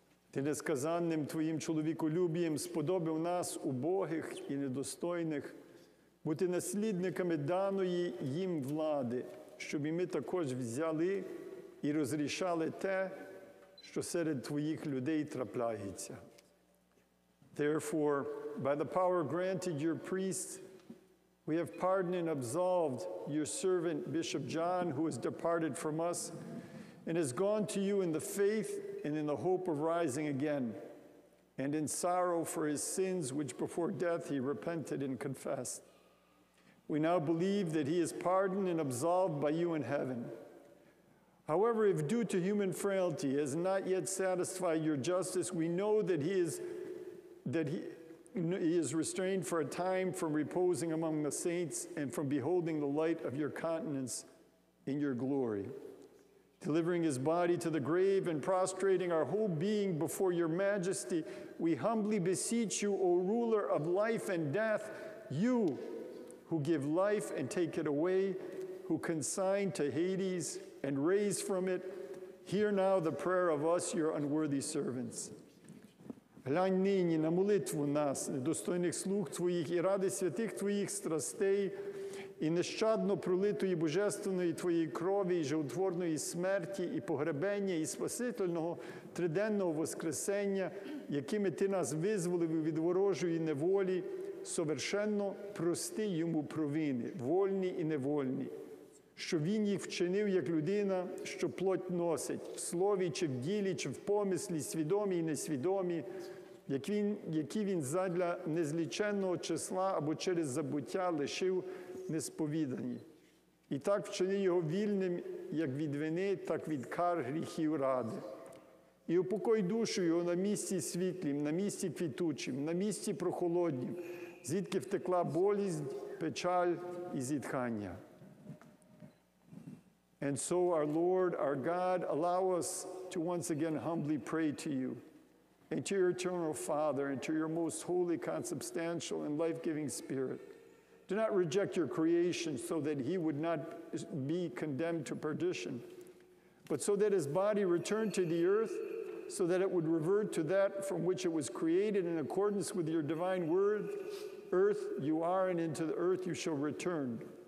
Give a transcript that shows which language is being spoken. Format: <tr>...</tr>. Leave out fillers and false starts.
<uk>Ти несказанним твоїм чоловіколюбієм сподобив нас, убогих і недостойних, бути наслідниками даної їм влади, щоб і ми також взяли і розрішали те, що серед твоїх людей трапляється.</uk> <en>Therefore, by the power granted your priests, we have pardoned and absolved your servant, Bishop John, who has departed from us and has gone to you in the faith and in the hope of rising again, and in sorrow for his sins, which before death he repented and confessed. We now believe that he is pardoned and absolved by you in heaven. However, if due to human frailty has not yet satisfied your justice, we know that he is restrained for a time from reposing among the saints and from beholding the light of your countenance in your glory. Delivering his body to the grave and prostrating our whole being before your majesty, we humbly beseech you, O ruler of life and death, you who give life and take it away, who consign to Hades and raise from it, hear now the prayer of us, your unworthy servants.</en> <uk>Глянь нині на молитву нас, недостойних слуг твоїх, і ради святих твоїх страстей, і нещадно пролитої божественної твоєї крові, і животворної смерті, і погребення, і спасительного триденного воскресення, якими ти нас визволив від ворожої неволі, совершенно прости йому провини, вольні і невольні, що він їх вчинив як людина, що плоть носить, в слові чи в ділі, чи в помислі, свідомі і несвідомі, які він задля незліченного числа або через забуття лишив несповідані. І так вчини його вільним як від вини, так від кар гріхів ради. І упокой душу його на місці світлім, на місці квітучим, на місці прохолоднім, звідки втекла болість, печаль і зітхання.</uk> <en>And so, our Lord, our God, allow us to once again humbly pray to you and to your eternal Father and to your most holy, consubstantial, and life-giving Spirit. Do not reject your creation so that he would not be condemned to perdition, but so that his body returned to the earth, so that it would revert to that from which it was created in accordance with your divine word, earth you are, and into the earth you shall return.</en>